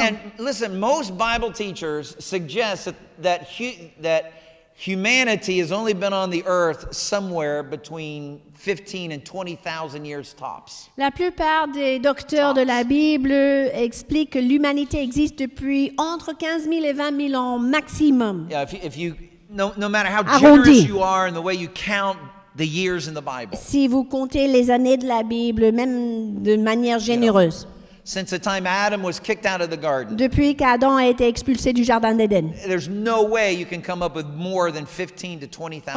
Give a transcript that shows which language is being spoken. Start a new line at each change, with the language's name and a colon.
English: And listen, most Bible teachers suggest that humanity has only been on the earth somewhere between 15 and 20,000 years tops.
French: La plupart des docteurs de la Bible expliquent que l'humanité existe depuis entre 15 000 et 20 000 ans maximum.
English: Yeah, if you no matter how generous you are and the way you count the years in the Bible.
French: Si vous comptez les années de la Bible, même de manière généreuse.
English: You know, since the time Adam was kicked out of the garden.
French: Depuis qu'Adam a été expulsé du jardin d'Éden.
English: There's no way you can come up with more than 15 to 20,000.